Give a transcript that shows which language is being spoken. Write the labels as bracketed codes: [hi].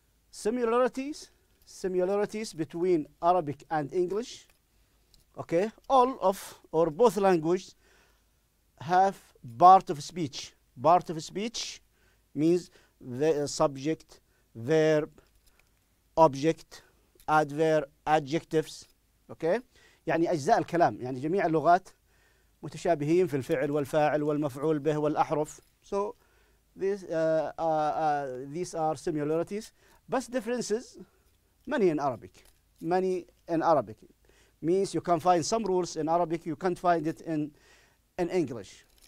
[en] Similarities between Arabic and English. Okay, all of or both languages have part of speech. Part of speech means the subject, verb, object, adverb, adjectives. [ar] Okay, يعني أجزاء الكلام. يعني جميع اللغات متشابهين في الفعل والفاعل والمفعول به والأحرف. [en] So these are similarities, but differences many in Arabic. Many in Arabic means you can find some rules in Arabic, you can't find it in English.